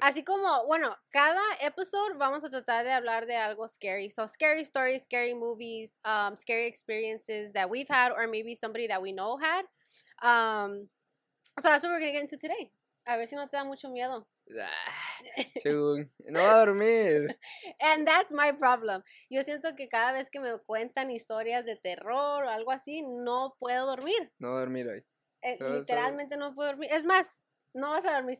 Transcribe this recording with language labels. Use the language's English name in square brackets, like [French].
[Spanish] Así como, bueno, cada episode vamos a tratar de hablar de algo scary. [English] So, scary stories, scary movies, scary experiences that we've had or maybe somebody that we know had. So, that's what we're going to get into today. [Spanish] A ver si no te da mucho miedo. Según, no va a dormir. [English] And that's my problem. [Spanish] Yo siento que cada vez que me cuentan historias de terror o algo así, no puedo dormir. No voy a dormir hoy. Literalmente no puedo dormir. Es más, no vas a dormir.